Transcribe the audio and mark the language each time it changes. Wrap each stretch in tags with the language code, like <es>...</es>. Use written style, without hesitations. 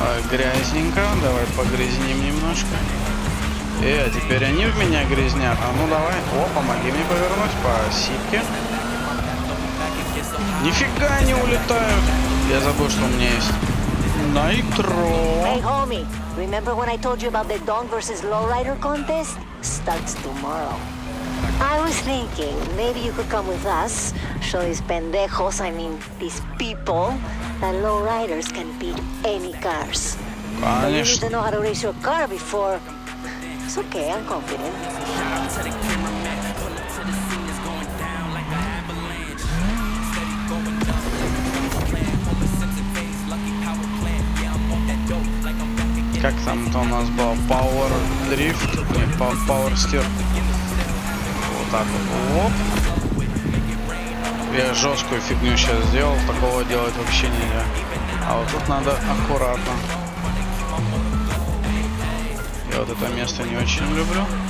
<ru>Грязненько, давай погрязним немножко. Теперь они в меня грязнят. А ну давай, помоги мне повернуть по сипке. Нифига не улетают. Я забыл, что у меня есть найтро.</ru> <en>Hey homie, remember when I told you about the Don versus Lowrider contest? Starts tomorrow. I was thinking, maybe you could come with us. Show these pendejos, I mean these people. That low riders can beat any cars.</en> <ru>Конечно.</ru> <en>You didn't know how to race your car before. It's okay, I'm confident.</en> <ru>Как там то у нас было?</ru> <en>Power drift?</en> <ru>Не,</ru> <en>power steer.</en> <ru>Вот так вот. Оп. Я жесткую фигню сейчас сделал, такого делать вообще нельзя. А вот тут надо аккуратно. Я вот это место не очень люблю.</ru>